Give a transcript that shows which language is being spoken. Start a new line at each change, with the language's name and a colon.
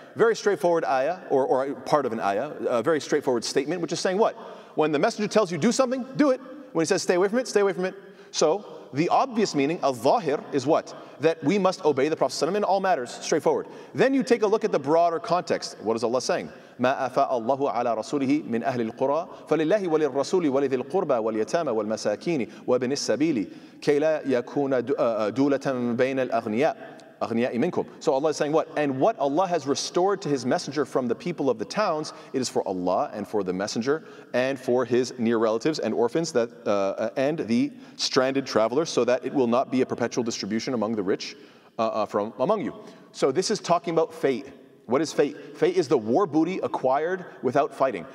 English: Very straightforward ayah, or part of an ayah, a very straightforward statement, which is saying what? When the messenger tells you do something, do it. When he says stay away from it, stay away from it. So the obvious meaning of zahir is what? That we must obey the Prophet ﷺ in all matters, straightforward. Then you take a look at the broader context. What is Allah saying?
Arabic: ما أفاء الله على رسوله من أهل القرى فلله وللرسول ولذي القربى واليتامى والمساكين وابن السبيل كي لا يكون دولة بين الأغنياء أغنياء منكم.
English: So Allah is saying what? And what Allah has restored to his messenger from the people of the towns, it is for Allah and for the messenger and for his near relatives and orphans that and the stranded travelers, so that it will not be a perpetual distribution among the rich from among you. So this is talking about fate. What is fate? Fate is the war booty acquired without fighting.